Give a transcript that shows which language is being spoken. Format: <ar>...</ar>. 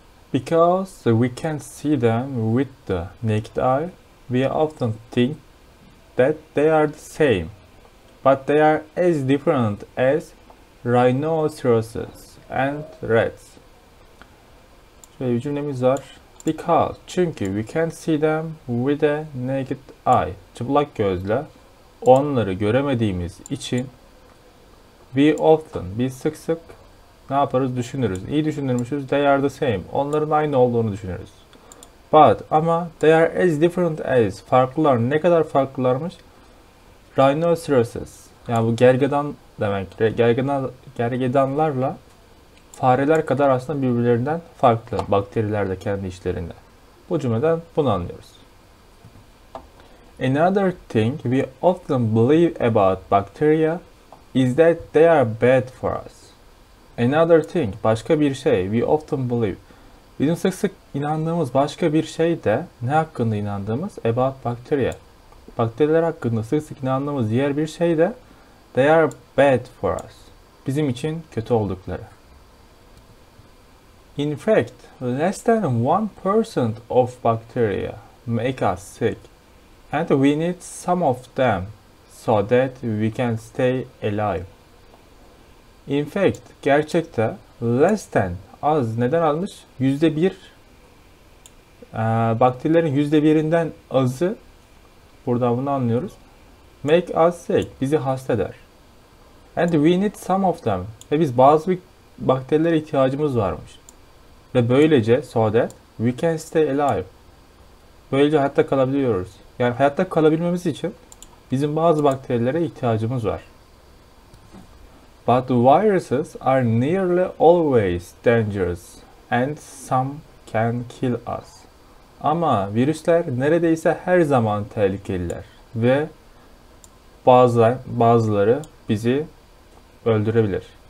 <en>Because we can see them with the naked eye, we often think that they are the same. But they are as different as rhinoceroses and rats.</en> <tr>Şöyle bir cümlemiz var.</tr> <en>Because,</en> <tr>çünkü</tr> <en>we can see them with a naked eye.</en> <tr>Çıplak gözle onları göremediğimiz için</tr> <en>we often,</en> <tr>biz sık sık ne yaparız? Düşünürüz. İyi düşünürmüşüz.</tr> <en>They are the same.</en> <tr>Onların aynı olduğunu düşünürüz.</tr> <en>But,</en> <tr>ama</tr> <en>they are as different as.</en> <tr>Farklılar. Ne kadar farklılarmış? Rhinoceroses. Yani bu gergedan demek. Gergedanlarla fareler kadar aslında birbirlerinden farklı. Bakteriler de kendi işlerinde. Bu cümleden bunu anlıyoruz.</tr> <en>Another thing we often believe about bacteria is that they are bad for us. Another thing,</en> <tr>başka bir şey,</tr> <en>we often believe.</en> <tr>Bizim sık sık inandığımız başka bir şey de ne hakkında inandığımız?</tr> <en>About bacteria.</en> <tr>Bakteriler hakkında sık sık inandığımız diğer bir şey de</tr> <en>they are bad for us.</en> <tr>Bizim için kötü oldukları.</tr> <en>In fact, less than 1% of bacteria, make us sick. And we need some of them so that we can stay alive. In fact,</en> <tr>gerçekte</tr> <en>less than</en> <tr>az neden almış? %1 bakterilerin %1'inden azı, burada bunu anlıyoruz.</tr> <en>Make us sick,</en> <tr>bizi hasta eder.</tr> <en>And we need some of them.</en> <tr>Ve biz bazı bakterilere ihtiyacımız varmış. Ve böylece</tr> <en>so that we can stay alive.</en> <tr>Böylece hayatta kalabiliyoruz. Yani hayatta kalabilmemiz için bizim bazı bakterilere ihtiyacımız var.</tr> <en>But the viruses are nearly always dangerous and some can kill us.</en> <tr>Ama virüsler neredeyse her zaman tehlikeliler ve bazıları bizi öldürebilir.</tr>